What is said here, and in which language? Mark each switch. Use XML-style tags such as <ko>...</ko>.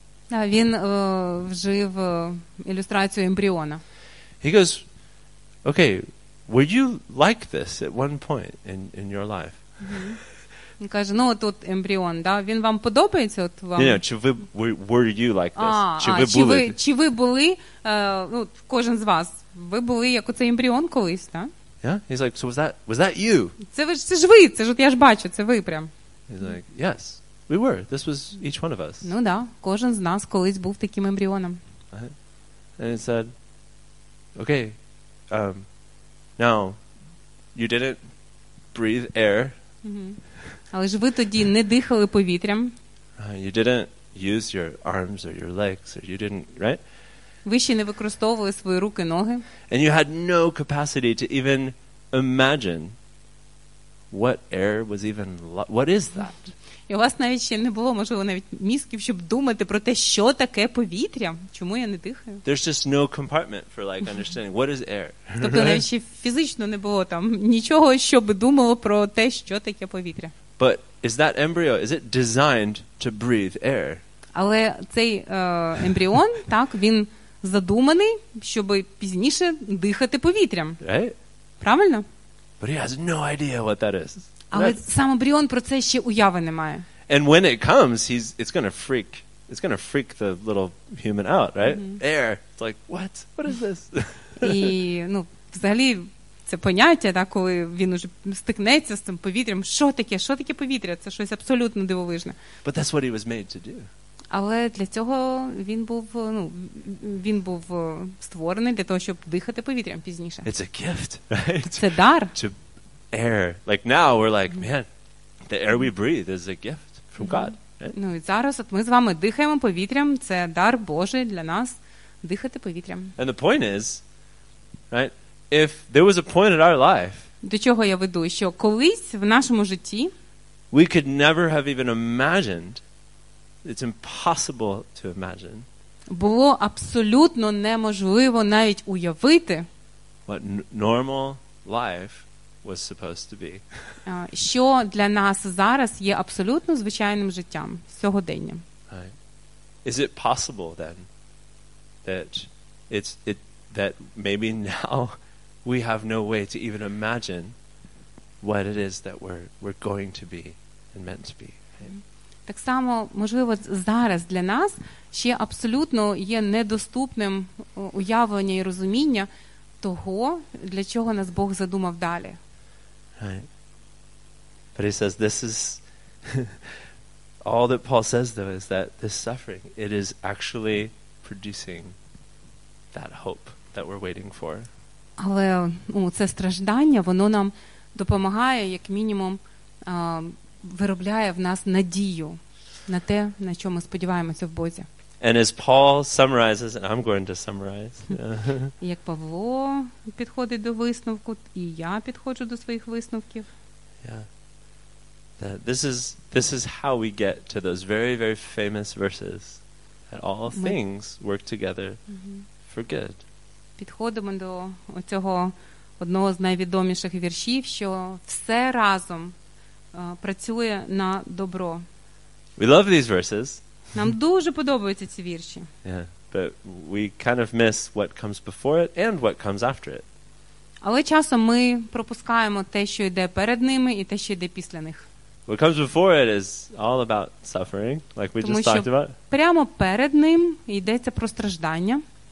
<uk>він вжив ілюстрацію ембріона.</uk> <en>He goes, okay, were you like this at one point in your life?</en> <uk>Він каже, тут ембріон, він вам подобається?</uk> <en>Were you like this?</en> <uk>Чи ви були, кожен з вас, ви були як оцей ембріон колись, так?</uk> <en>Yeah, he's like, so was that you?</en> <uk>Це ж ви, я ж бачу, це ви прям.</uk> <en>He's like, yes, we were. This was each one of us.</en> <uk>Кожен з нас колись був таким ембріоном.</uk> <en>And he said, okay, now you didn't breathe air.</en> <uk>Але ж ви тоді не дихали повітрям.</uk> <en>You didn't use your arms or your legs, or you didn't, right?</en> <uk>Ви ще не використовували свої руки, ноги.</uk> <en>And you had no capacity to even imagine what air was even what is that?</en> <uk>І у вас навіть ще не було, можливо, навіть мізків, щоб думати про те, що таке повітря, чому я не дихаю.</uk> <en>There's just no compartment for understanding what is air.</en> <uk>Тобто навіть ще фізично не було там нічого, щоб думало про те, що таке повітря.</uk> <en>But is that embryo, is it designed to breathe air?</en> <uk>Але цей ембріон, він задуманий, щоб пізніше дихати повітрям.</uk> <en>Right?</en> <uk>Правильно?</uk> <en>But he has no idea what that is.</en> <uk>Але сам ембріон про це ще уяви не має.</uk> <en>And when it comes, it's going to freak the little human out, right? Mm-hmm. Air. It's like, what? What is this?</en> <uk>І, взагалі це поняття, так, коли він уже стикнеться з цим повітрям. Що таке? Що таке повітря? Це щось абсолютно дивовижне.</uk> <en>But that's what he was made to do.</en> <uk>Але для цього він був, ну, він був створений для того, щоб дихати повітрям пізніше.</uk> <en>It's a gift, right?</en> <uk>Це дар.</uk> <en>To air. Like now we're like, man, the air we breathe is a gift from God. Right?</en> <uk>Ну, і зараз от ми з вами дихаємо повітрям, це дар Божий для нас дихати повітрям.</uk> <en>And the point is, right? If there was a point in our life,</en> <uk>до чого я веду, що колись в нашому житті</uk> <en>we could never have even imagined. It's impossible to imagine.</en> <uk>Було абсолютно неможливо навіть уявити,</uk> <en>what normal life was supposed to be.</en> <uk>Що для нас зараз є абсолютно звичайним життям, сьогоденням.</uk> <en>Right. Is it possible then that that maybe now we have no way to even imagine what it is that we're going to be and meant to be?</en> <uk>Так само, можливо, зараз для нас ще абсолютно є недоступним уявлення і розуміння того, для чого нас Бог задумав далі.</uk> <en>Right. But he says this is all that Paul says though is that this suffering, it is actually producing that hope that we're waiting for.</en> <uk>Але, ну, це страждання, воно нам допомагає, як мінімум, виробляє в нас надію на те, на що ми сподіваємося в Бозі.</uk> <en>And as Paul summarizes, and I'm going to summarize.</en> <uk>Як Павло підходить до висновку, і я підходжу до своїх висновків.</uk> <en>This is how we get to those very, very famous verses that all things work together for good.</en> <uk>Підходимо до цього одного з найвідоміших віршів, що все разом працює на добро.</uk> <en>We love these verses.</en> <uk>Нам дуже подобаються ці вірші.</uk> <en>Yeah, but we kind of miss what comes before it and what comes after it.</en> <uk>Але часом ми пропускаємо те, що йде перед ними, і те, що йде після них.</uk> <en>What comes before it is all about suffering, like we just talked about.</en> <uk>Тому що прямо перед ним йдеться про страждання.</uk>